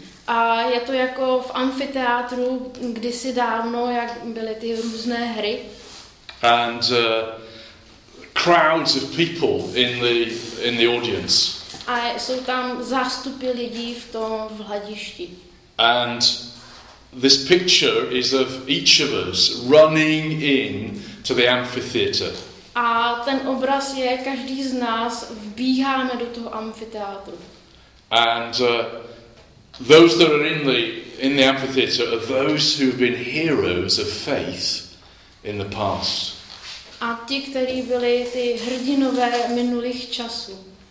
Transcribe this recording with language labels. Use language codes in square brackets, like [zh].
[cs] A je to jako v amfiteátru kdysi dávno, jak byly ty různé hry. [en] And crowds of people in the audience. [cs] A jsou tam zástupy lidí v tom hledišti. [en] And this picture is of each of us running in to the amphitheater. [cs] A ten obraz je, každý z nás vbíháme do toho amfiteátru. [en] And those that are in the amphitheater are those who have been heroes of faith in the past. [cs] A ti, kteří byli ty hrdinové minulých časů.